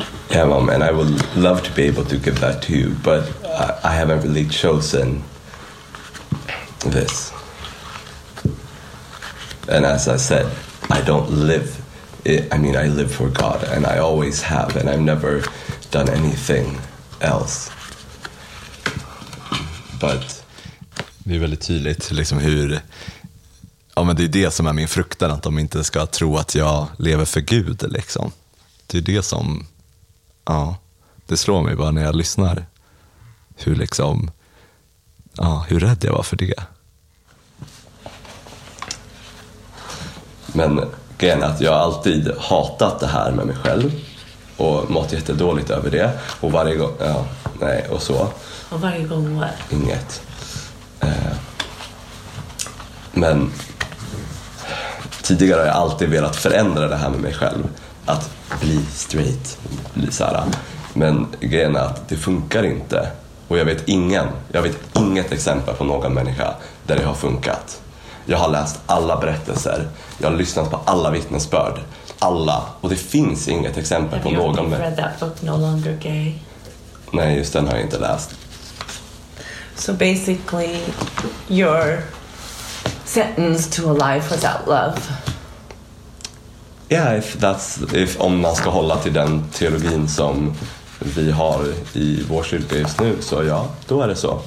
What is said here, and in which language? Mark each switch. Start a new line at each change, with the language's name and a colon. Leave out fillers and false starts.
English: Yeah, well, man, I would love to be able to give that to you, but I haven't really chosen this. And as I said, I don't live it. I mean, I live for God, and I always have, and I've never done anything else. But
Swedish: det är väldigt tydligt liksom hur, ja, men det är det som är min fruktan, att de inte ska tro att jag lever för Gud liksom. Det är det som, ja, det slår mig bara när jag lyssnar hur liksom, ja, hur rädd jag var för det. Men grejen är att jag har alltid hatat det här med mig själv och mått jättedåligt över det. Och varje gång, ja, nej, och så. Och varje gång var? Inget. Men tidigare har jag alltid velat förändra det här med mig själv. Att bli straight, bli så här. Men grejen är att det funkar inte. Och jag vet inget exempel på någon människa där det har funkat. Jag har läst alla berättelser. Jag har lyssnat på alla vittnesbörd. Alla. Och det finns inget exempel på någon.
English: Have you read that book, No Longer Gay?
Swedish: Nej, just den har jag inte läst.
English: So basically, your sentence to a life without love. Yeah, if
Swedish: om man ska hålla till den teologin som vi har i vår kyrka just nu, så ja, då är det så.